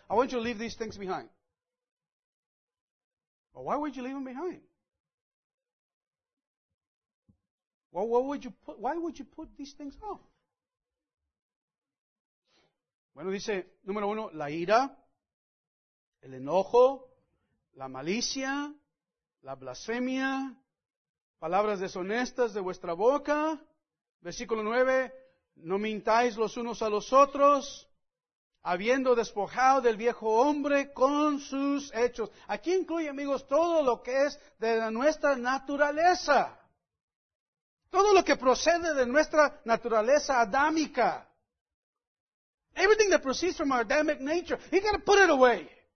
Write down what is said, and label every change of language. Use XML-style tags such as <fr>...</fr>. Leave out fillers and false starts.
<en>I want you to leave these things behind. But why would you leave them behind? Well, why would you put these things off?</en> <es>Bueno, dice, número uno, la ira, el enojo, la malicia, la blasfemia, palabras deshonestas de vuestra boca. Versículo 9, no mintáis los unos a los otros, habiendo despojado del viejo hombre con sus hechos. Aquí incluye, amigos, todo lo que es de nuestra naturaleza. Todo lo que procede de nuestra naturaleza adámica.</es> <en>Everything that proceeds from our Adamic nature, you gotta put it away.</en>